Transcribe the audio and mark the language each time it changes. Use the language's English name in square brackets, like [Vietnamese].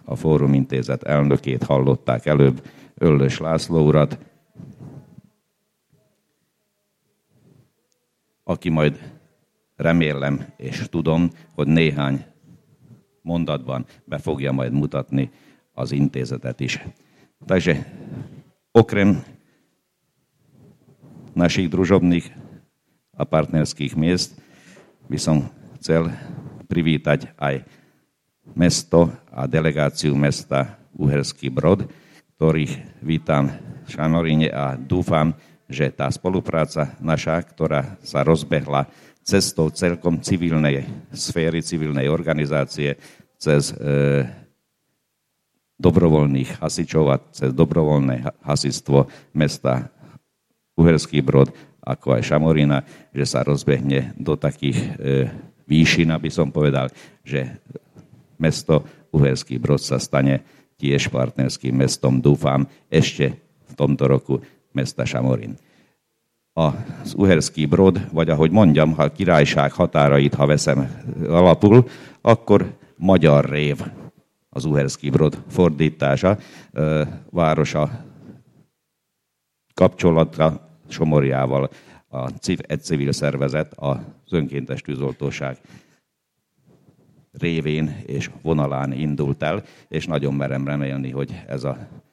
[Hungarian] A fórumintézet elnökét hallották előbb, Öllös László urat, aki majd remélem és tudom, hogy néhány mondatban be fogja majd mutatni az intézetet is. [Slovak] Takže okrem našich družobných a partnerských miest by som chcel privítať aj mesto a delegáciu mesta Uherský Brod, ktorých vítam v Šamoríne a dúfam, že tá spolupráca naša, ktorá sa rozbehla cestou celkom civilnej sféry, civilnej organizácie, cez dobrovoľných hasičov a cez dobrovoľné hasičstvo mesta Uherský Brod, ako aj Šamorína, že sa rozbehne do takých výšin, aby som povedal, že mesto Uherský Brod sa stane tiež partnerským mestom, dúfam, ešte v tomto roku mesta Šamorín. [Hungarian] A z Uherský Brod, vagy ahogy mondjam, ha királyság határait, ha veszem alapul, akkor Magyar Rév az Uherský Brod fordítása, városa kapcsolata Somorjával a egy civil szervezet, az önkéntes tűzoltóság révén és vonalán indult el, és nagyon merem remélni, hogy ez a